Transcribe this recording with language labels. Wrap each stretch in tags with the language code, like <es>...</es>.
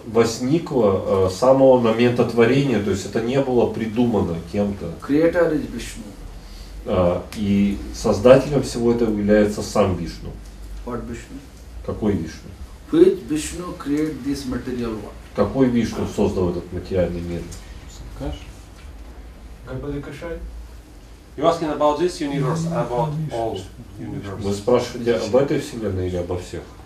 <ru>Возникло с самого момента творения, то есть это не было придумано кем-то.</ru> <en>Creator is Vishnu.</en> <ru>И создателем всего этого является сам Вишну.</ru> <en>What Vishnu?</en> <ru>Какой Вишну?</ru> <en>Which Vishnu created this material world?</en> <ru>Какой Вишну создал этот материальный мир? Ганпадикашай?</ru> <en>You asking about this universe, about all universe?</en> <ru>Вы спрашиваете об этой вселенной или обо всех?</ru>